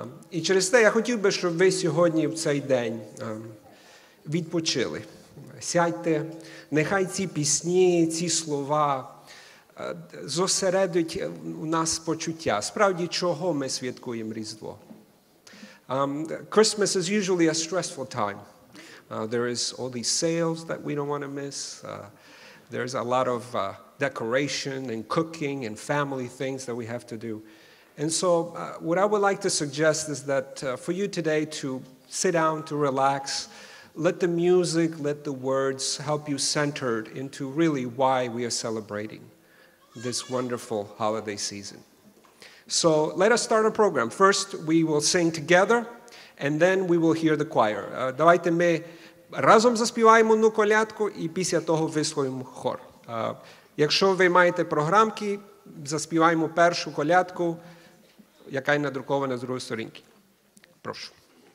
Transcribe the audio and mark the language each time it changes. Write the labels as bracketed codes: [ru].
[uk] І через те я хотів би, щоб ви сьогодні в цей день відпочили. Сядьте, нехай ці пісні, ці слова зосередить у нас почуття. Справді, чого ми святкуємо Різдво? [en] Christmas is usually a stressful time. There is all these sales that we don't want to miss. There's a lot of decoration and cooking and family things that we have to do. And so what I would like to suggest is that for you today to sit down, to relax, let the music, let the words help you centered into really why we are celebrating this wonderful holiday season. So let us start a program. First, we will sing together, and then we will hear the choir. [uk] Давайте ми разом заспіваємо одну колядку, і після того висловимо хор. Якщо ви маєте програмки, заспіваємо першу колядку, яка надрукована з другої сторінки. Прошу.